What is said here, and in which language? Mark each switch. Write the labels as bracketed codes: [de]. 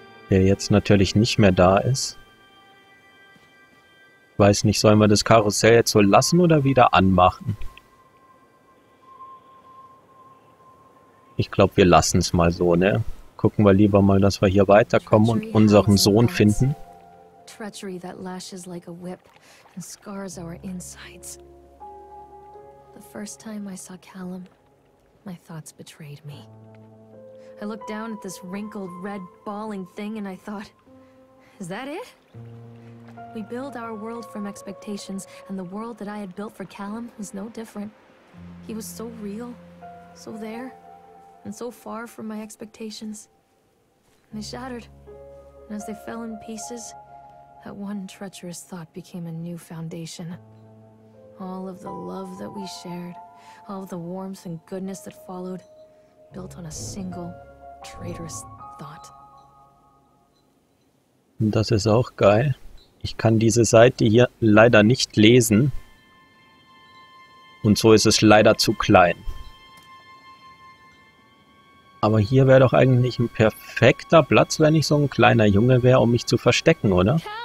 [de] Der jetzt natürlich nicht mehr da ist. Weiß nicht, sollen wir das Karussell jetzt so lassen oder wieder anmachen? Ich glaube, wir lassen es mal so, ne? Gucken wir lieber mal, dass wir hier weiterkommen und unseren Sohn finden. [en] Treachery that lashes like a whip and scars our insides. The first time I saw Callum, my thoughts betrayed me. I looked down at this wrinkled, red, bawling thing and I thought, is that it? We build our world from expectations, and the world that I had built for Callum was no different. He was so real, so there, and so far from my expectations. And they shattered, and as they fell in pieces, that one treacherous thought became a new foundation. All of the love that we shared, all of the warmth and goodness that followed, built on a single, traitorous thought. [de] Das ist auch geil. Ich kann diese Seite hier leider nicht lesen. Und so ist es leider zu klein. Aber hier wäre doch eigentlich ein perfekter Platz, wenn ich so ein kleiner Junge wäre, um mich zu verstecken, oder?